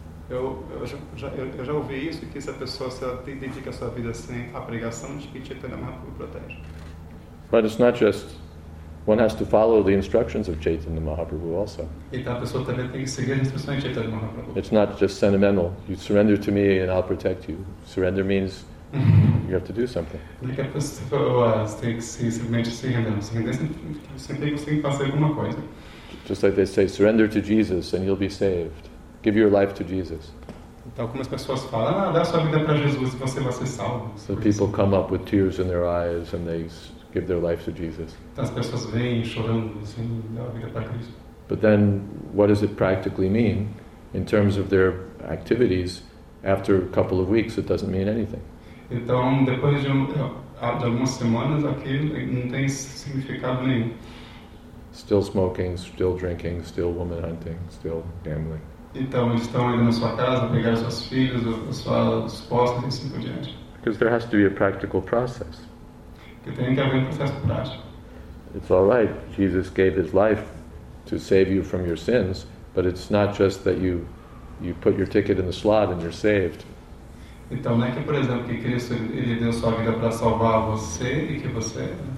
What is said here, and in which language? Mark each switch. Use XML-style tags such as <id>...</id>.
<pt>Eu já ouvi isso, que se a pessoa se dedica a sua vida sem a pregação, Chaitanya Mahaprabhu protege.</pt> <en>But it's not just one has to follow the instructions of Chaitanya Mahaprabhu also.</en> <pt>Então a pessoa também tem que seguir as instruções de Chaitanya Mahaprabhu.</pt> <en>It's not just sentimental. You surrender to me and I'll protect you. Surrender means you have to do something.</en> <pt>Like a pessoa tem que se simplesmente se render, sempre você tem que fazer alguma coisa.</pt> <en>Just like they say, surrender to Jesus and you'll be saved. Give your life to Jesus.</en> <pt>Então como as pessoas falam, dá sua vida para Jesus e você vai ser salvo.</pt> <en>So people come up with tears in their eyes and they give their life to Jesus.</en> <pt>Então as pessoas vêm chorando assim, dão a vida para Cristo.</pt> <en>But then, what does it practically mean in terms of their activities? After a couple of weeks, it doesn't mean anything.</en> <pt>Então, depois de algumas semanas, aquilo não tem significado nenhum.</pt> <en>Still smoking, still drinking, still woman hunting, still gambling.</en> <pt>Então, eles estão indo na sua casa, pegar suas filhas, suas esposas e assim por diante.</pt> <en>Because there has to be a practical process.</en> <pt>Porque tem que haver um processo prático.</pt> <en>It's all right. Jesus gave his life to save you from your sins. But it's not just that you put your ticket in the slot and you're saved.</en> <pt>Então não é que, por exemplo, que Cristo ele deu sua vida para salvar você e que você.</pt>